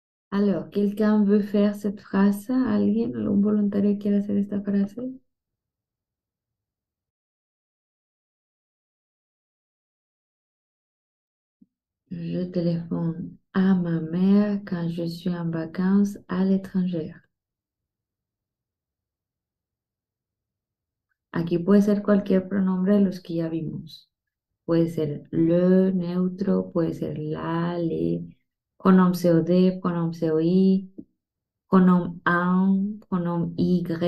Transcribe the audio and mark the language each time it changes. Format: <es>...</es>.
<fr>Alors, quelqu'un veut faire cette phrase?</fr> <es>Alguien, un voluntario, quiere hacer esta frase?</es> <fr>Je téléphone à ma mère quand je suis en vacances à l'étranger.</fr> <es>Aquí puede ser cualquier pronombre de los que ya vimos. Puede ser le neutro, puede ser la, le.</es> <fr>Pronom COD, pronom COI, pronom AN, pronom Y.</fr>